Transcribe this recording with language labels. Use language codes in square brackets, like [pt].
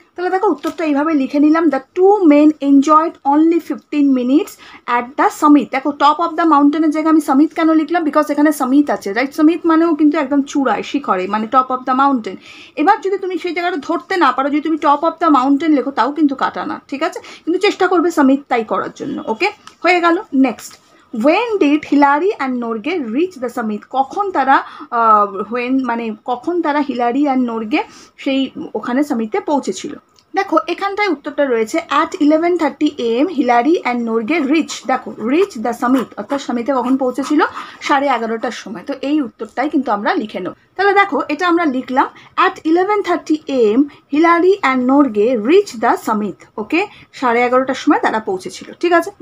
[bn] তাহলে দেখো উত্তরটা এইভাবে লিখে নিলাম, [en] The two men enjoyed only 15 minutes at the summit. [bn] দেখো টপ অফ দ্য মাউন্টেনের জায়গায় আমি সামিট কেন লিখলাম, বিকজ এখানে সামিট আছে, রাইট, সামিট মানেও কিন্তু একদম চূড়ায় শিখরে, মানে [en] Top of the mountain. [bn] এবার যদি তুমি সেই জায়গাটা ধরতে না পারো, যদি তুমি [en] top of the mountain [bn] লেখো তাও কিন্তু কাটা না, ঠিক আছে, কিন্তু চেষ্টা করবে সামিট তাই করার জন্য, ওকে। হয়ে গেল next, [en] When did Hilary and Norgay reach the summit? [bn] কখন তারা when মানে কখন তারা Hilary and Norgay সেই ওখানে সামিতে পৌঁছেছিল। দেখো এখানটায় উত্তরটা রয়েছে [en] at 11:30 AM Hilary and Norgay reached, [bn] দেখো [en] reached the summit [bn] অর্থাৎ সামিতে কখন পৌঁছেছিল, 11:30 সময়। তো এই উত্তরটাই কিন্তু আমরা লিখে নেব। তাহলে দেখো এটা আমরা লিখলাম [en] at 11:30 AM Hilary and Norgay reached the summit, [bn] ওকে, 11:30 সময় তারা পৌঁছেছিল, ঠিক আছে।